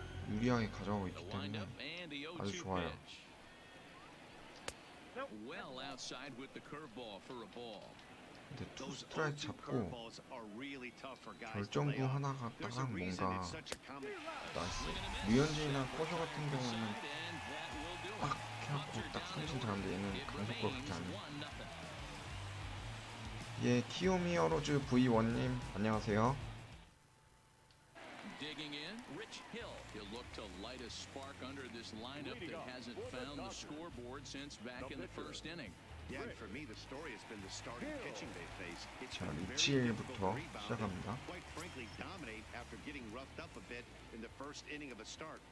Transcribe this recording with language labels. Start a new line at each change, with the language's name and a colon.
Korean: 유리하게 가져가고 있기 때문에 아주 좋아요.
English: Well outside with the curveball for a ball.
Korean: 근데 투 스트라이크 잡고 결정구 하나가 딱 뭔가 나이스. 류현진이나 코쇼 같은 경우는 딱 해갖고 딱 삼진 잡는데 얘는 강속 그렇게 안 해. 예, 키오미어로즈 V1님 안녕하세요.
English: Digging in, Rich Hill. He'll look to light a spark under this lineup that hasn't found the scoreboard since back in the first inning. Yeah, and for me, the story has been the starting pitching they face. It's a very difficult rebound. Quite frankly, dominate after getting roughed up a bit in the first inning of a start.